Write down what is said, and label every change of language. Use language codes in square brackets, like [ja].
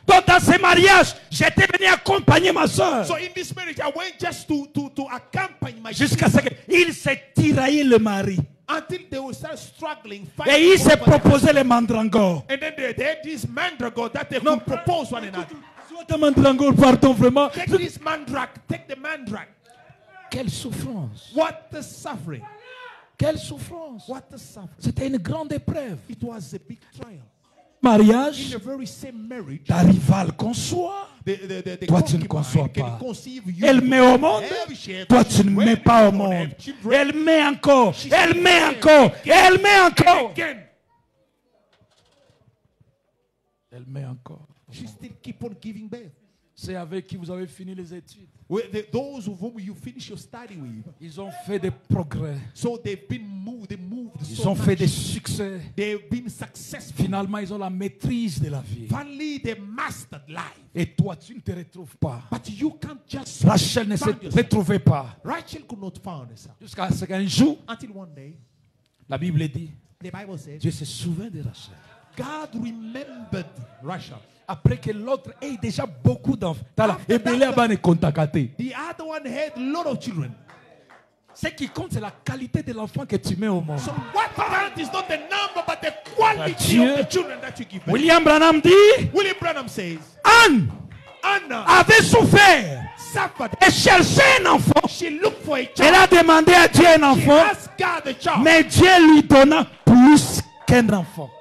[fr] Donc dans ce mariage, j'étais venu accompagner ma soeur. [en] So in this marriage, I went just to accompany my. [fr] Jusqu'à ce qu'il s'est tiraillé le mari. [en] Until they were still struggling. [fr] Et il s'est proposé le mandragore. [en] And then they had this mandragore that they could propose one another. [fr] Soit ta mandragore, pardon vraiment. [en] Take this mandrak. Take the mandrak. [fr] Quelle souffrance. [en] What the suffering. [fr] Quelle souffrance! [en] What a suffering. [fr] C'était une grande épreuve. [en] It was a big trial. [fr] Mariage, [en] in the very same marriage, [fr] ta rivale conçoit, toi tu ne conçois pas. Elle met au monde, toi tu ne mets pas au monde. Elle met encore, elle met encore, elle met encore. Elle met encore. [en] She still keep on giving birth. [fr] C'est avec qui vous avez fini les études. [en] Those of whom you finish your study with. [fr] Ils ont fait des progrès. [en] So they've been moved, they moved. [fr] Ils [en] so [fr] ont [en] much. [fr] Fait des succès. [en] They've been successful. [fr] Finalement, ils ont la maîtrise de la vie. [en] Finally, they mastered life. [fr] Et toi, tu ne te retrouves pas. [en] But you can't just [fr] Rachel ne s'est retrouvée pas. [en] Rachel could not find herself. [fr] Jusqu'à ce qu'un jour, [en] until one day, [fr] la Bible dit, [en] the Bible said, [fr] Dieu se souvient de Rachel. [en] God remembered Rachel. [fr] Après que l'autre ait déjà beaucoup d'enfants. [en] The other one had a lot of children. [fr] Ce qui compte, c'est la qualité de l'enfant que tu mets au monde. [en] So what count is not the number, but the quality of the children that you give birth. [fr] William Branham dit, [en] William Branham says, [fr] Anne, [en] Anna [fr] avait souffert, [en] suffered, [fr] et cherchait un enfant. [en] She looked for a child. [fr] Elle a demandé à Dieu un enfant. [en] She asked God a child. [fr] Mais Dieu lui donna plus qu'un enfant.